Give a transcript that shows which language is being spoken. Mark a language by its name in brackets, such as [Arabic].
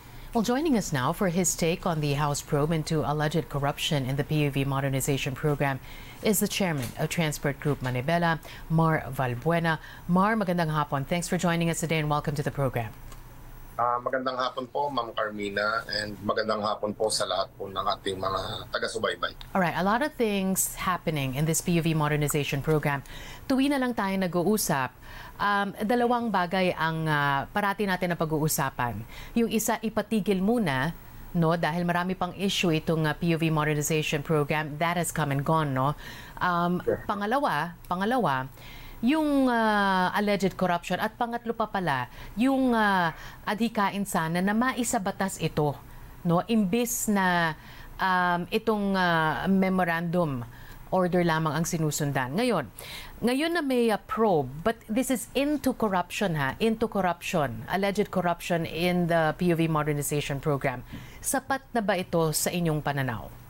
[English] Well, joining us now for his take on the House probe into alleged corruption in the POV modernization program is the chairman of Transport Group Manibela, Mar Valbuena. Mar, [Filipino] magandang hapon. [English] Thanks for joining us today and welcome to the program. [Filipino] Magandang hapon po, Ma'am Carmina, and magandang hapon po sa lahat po ng ating mga taga-subaybay. [English] All right, a lot of things happening in this POV modernization program. [Filipino] Tuwi na lang tayo nag-uusap, dalawang bagay ang parati natin na pag-uusapan. Yung isa, ipatigil muna, no, dahil marami pang issue itong POV modernization program. [English] That has come and gone, no? [Filipino] Sure. Pangalawa, yung alleged corruption, at pangatlo pa pala, yung adhikain sana na maisabatas ito, no, imbis na itong memorandum order lamang ang sinusundan. Ngayon na may [English] probe, but this is into corruption, alleged corruption in the POV modernization program. [Filipino] Sapat na ba ito sa inyong pananaw?